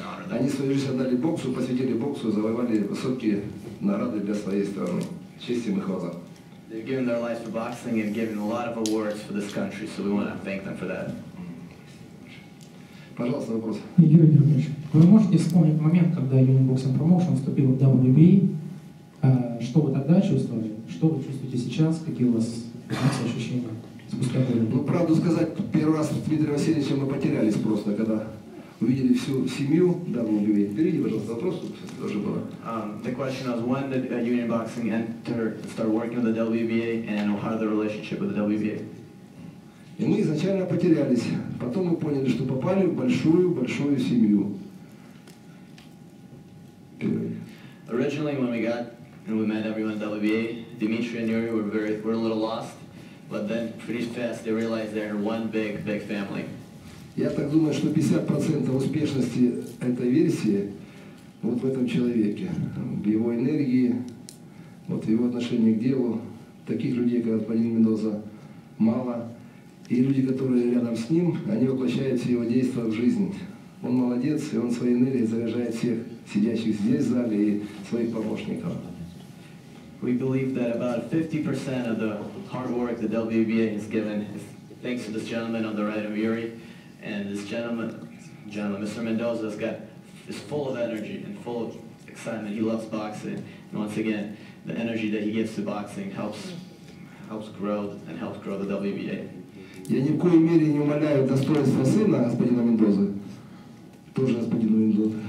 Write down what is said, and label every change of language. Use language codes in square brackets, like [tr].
[ru] Они свою жизнь отдали боксу, посвятили боксу, завоевали высокие награды для своей страны. Честь им и хвала. [en] They've given their lives for boxing and given a lot of awards for this country, so we want to thank them for that. [ru] Пожалуйста, вопрос. Юрий Георгиевич, вы можете вспомнить момент, когда Union Boxing Promotion вступил в WBA? Что вы тогда чувствовали? Что вы чувствуете сейчас? Какие у вас ощущения? Ну, правду сказать, первый раз с Дмитрием Васильевичем мы потерялись просто, когда увидели всю семью WBA. Перейди, пожалуйста, вопрос, тоже было. [en] The question was, when did Union Boxing enter, start working with the WBA, and how the relationship with the WBA? [ru] И мы изначально потерялись. Потом мы поняли, что попали в большую-большую семью. [en] Originally, when we got, and we met everyone at WBA, Dmitry and Yuri were a little lost. But then pretty fast they realized they're one big, big family. [ru] Я так думаю, что 50% успешности этой версии вот в этом человеке, в его энергии, вот в его отношении к делу. Таких людей, как Владимир Мендоза, мало. И люди, которые рядом с ним, они воплощают все его действия в жизнь. Он молодец, и он своей энергией заряжает всех сидящих здесь в зале и своих помощников. [en] We believe that about 50% of the hard work that WBA has given is thanks to this gentleman on the right of Yuri, and this gentleman, Mr. Mendoza, is full of energy and full of excitement. He loves boxing, and once again, the energy that he gives to boxing helps grow the WBA. [ru] Я ни в коей мере не умаляю достоинства сына господина Мендозы, тоже господина Мендозы.